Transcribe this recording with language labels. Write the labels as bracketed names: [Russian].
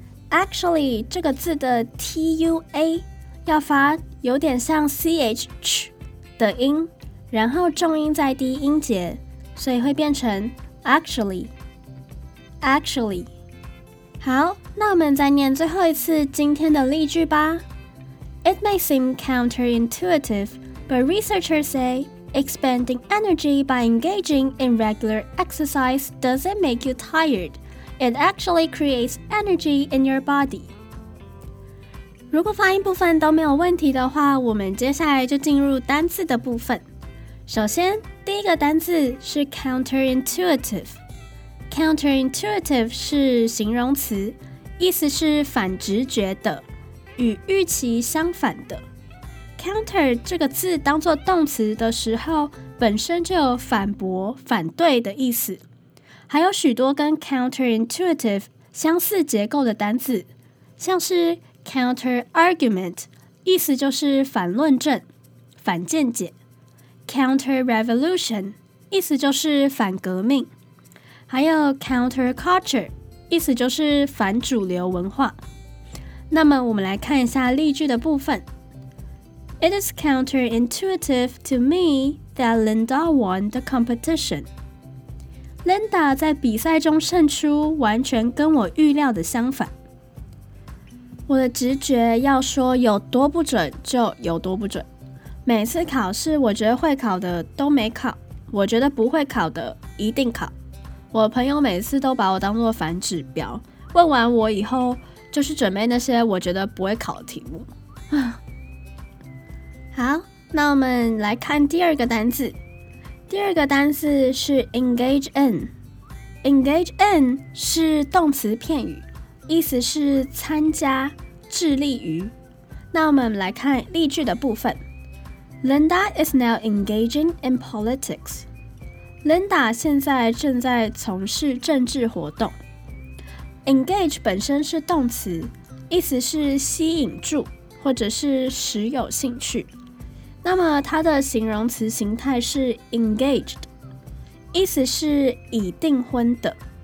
[Chinese] actually 这个字的 tua 要发有点像 ch 的音，然后重音在第一音节，所以会变成Actually. 好，那我们再念最后一次今天的例句吧。 [English] It may seem counterintuitive, but researchers say expending energy by engaging in regular exercise doesn't make you tired. It actually creates energy in your body. [Chinese] 如果发音部分都没有问题的话，我们接下来就进入单字的部分。首先，第一个单字是 counterintuitive。 counterintuitive 是形容词，意思是反直觉的，与预期相反的。 counter 这个字当作动词的时候，本身就有反驳、反对的意思。还有许多跟 counterintuitive 相似结构的单字，像是 counterargument， 意思就是反论证、反见解。 Counter-revolution 意思就是反革命，还有 counter-culture 意思就是反主流文化。那么我们来看一下例句的部分。 [English] It is counter-intuitive to me that Linda won the competition. [Chinese] Linda 在比赛中胜出完全跟我预料的相反。我的直觉要说有多不准就有多不准，每次考试我觉得会考的都没考，我觉得不会考的一定考。我朋友每次都把我当作反指标，问完我以后就是准备那些我觉得不会考的题目。好，那我们来看第二个单字。第二个单字是 engage in。 engage in 是动词片语，意思是参加、致力于。那我们来看例句的部分。 [English] Linda is now engaging in politics. [Chinese] Linda 现在正在从事政治活动。 Engage 本身是动词，意思是吸引住或者是时有兴趣。那么它的形容词形态是 engaged， 意思是已订婚的。